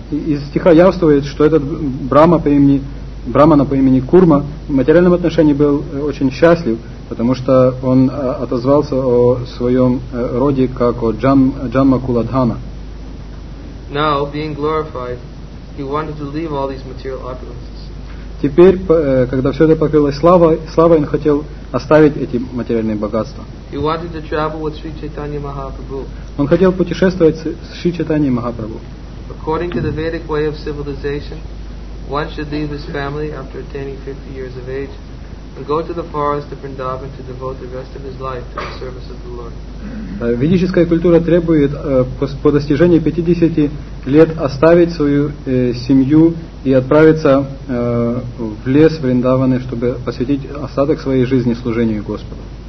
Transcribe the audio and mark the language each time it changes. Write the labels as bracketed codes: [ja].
[ru] Из стиха явствует, что этот брахмана по имени Курма в материальном отношении был очень счастлив, потому что он отозвался о своем роде как о Джанма Куладхана. [en] Now, being glorified, he wanted to leave all these material opulences. [ru] Теперь, когда все это покрылось славой, он хотел оставить эти материальные богатства. [en] He wanted to travel with Sri Chaitanya Mahaprabhu. [ru] Он хотел путешествовать с Шри Чайтаньей Махапрабху. [en] According to the Vedic way of civilization, one should leave his family after attaining 50 years of age and go to the forest of Vrindavan to devote the rest of his life to the service of the Lord. [ru] Ведическая культура требует по достижении 50 лет оставить свою семью и отправиться в лес Вриндаваны, чтобы посвятить остаток своей жизни служению Господу.